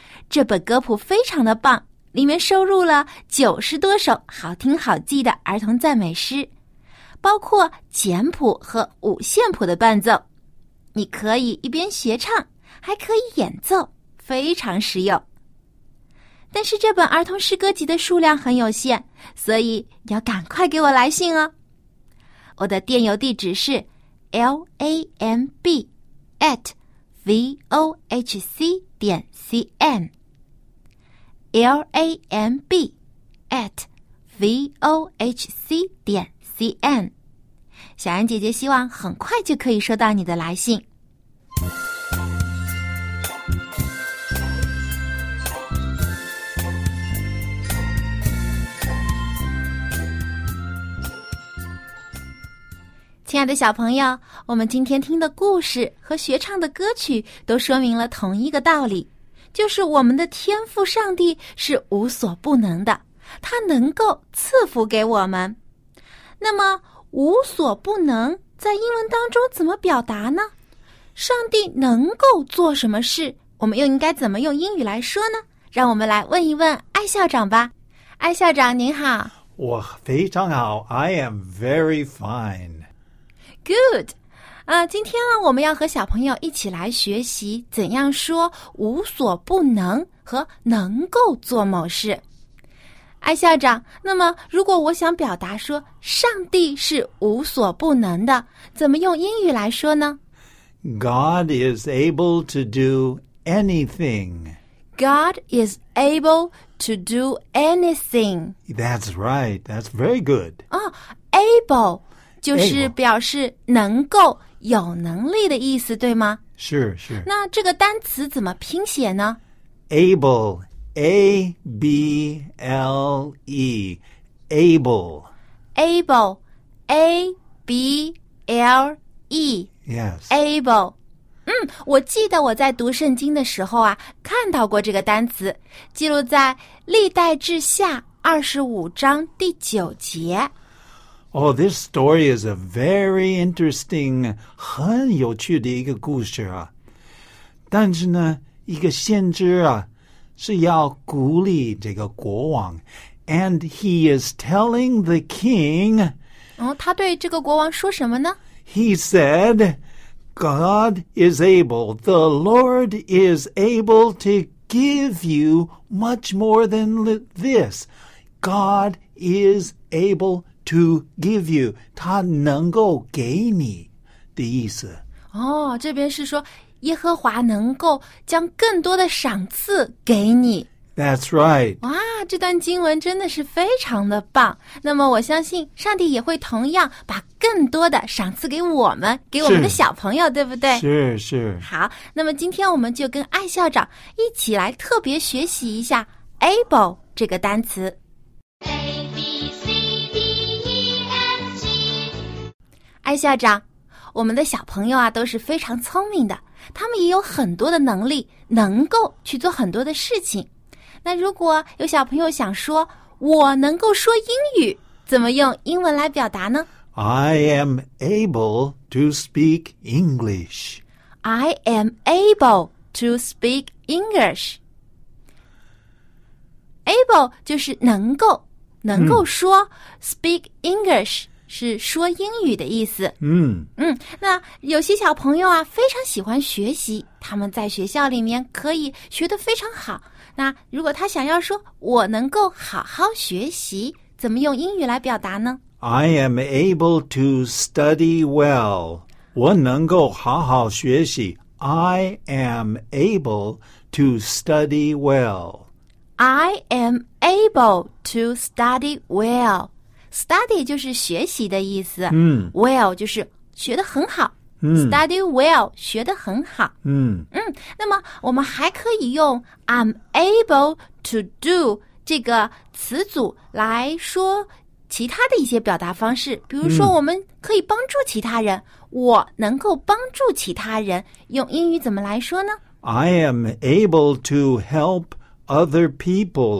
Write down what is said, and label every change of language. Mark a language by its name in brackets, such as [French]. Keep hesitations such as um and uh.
[Chinese] 这本歌谱非常的棒。里面收录了九十多首好听好记的儿童赞美诗，包括简谱和五线谱的伴奏，你可以一边学唱，还可以演奏，非常实用。但是这本儿童诗歌集的数量很有限，所以要赶快给我来信哦。我的电邮地址是 l a m b at v o h c 点 c m。 l a m b at v o h c 点 c n，小安姐姐希望很快就可以收到你的来信。亲爱的小朋友，我们今天听的故事和学唱的歌曲都说明了同一个道理。就是我们的天赋，上帝是无所不能的，他能够赐福给我们。那么，无所不能在英文当中怎么表达呢？上帝能够做什么事？我们又应该怎么用英语来说呢？让我们来问一问艾校长吧。艾校长您好，我非常好， [English] I am very fine，good。 [Chinese] 啊，今天呢，我们要和小朋友一起来学习怎样说“无所不能”和“能够做某事”。艾校长，那么如果我想表达说“上帝是无所不能的”，怎么用英语来说呢 [English] ？God is able to do anything. God is able to do anything. That's right. That's very good. 啊 [Chinese] ，able 就是表示能够。有能力的意思对吗？是是。那这个单词怎么拼写呢 [English] ？able，a b l e，able，able，a b l e，yes，able。 [Chinese] 嗯，我记得我在读圣经的时候啊，看到过这个单词，记录在《历代志下》二十五章第九节。 [English] Oh, this story is a very interesting， [Chinese] 很有趣的一个故事啊。但是呢，一个先知啊，是要鼓励这个国王， [English] and he is telling the king。 [Chinese] 哦，他对这个国王说什么呢 [English] ？He said, "God is able. The Lord is able to give you much more than this. God is able." To give you， [Chinese] 他能够给你的意思。哦，oh, 这边是说耶和华能够将更多的赏赐给你。 [English] That's right、 [Chinese] 哦。哇，这段经文真的是非常的棒。那么我相信上帝也会同样把更多的赏赐给我们，给我们的小朋友，对不对？是是。是好，那么今天我们就跟艾校长一起来特别学习一下 able 这个单词。艾校长，我们的小朋友啊都是非常聪明的，他们也有很多的能力，能够去做很多的事情。那如果有小朋友想说“我能够说英语”，怎么用英文来表达呢 [English] ？I am able to speak English. I am able to speak English. [Chinese] able 就是能够，能够说、嗯、 [English] speak English。 [Chinese] 是说英语的意思。嗯嗯，那有些小朋友啊非常喜欢学习，他们在学校里面可以学得非常好。那如果他想要说“我能够好好学习”，怎么用英语来表达呢 [English] ？I am able to study well。 [Chinese] 我能够好好学习。 [English] I am able to study well。 I am able to study well。 [Chinese] Study 就是学习的意思。嗯、mm.，Well 就是学的很好。嗯、mm.，Study well 学的很好。嗯嗯，那么我们还可以用 [English] I'm able to do [Chinese] 这个词组来说其他的一些表达方式。比如说，我们可以帮助其他人，我能够帮助其他人，用英语怎么来说呢 [English] ？I am able to help other people。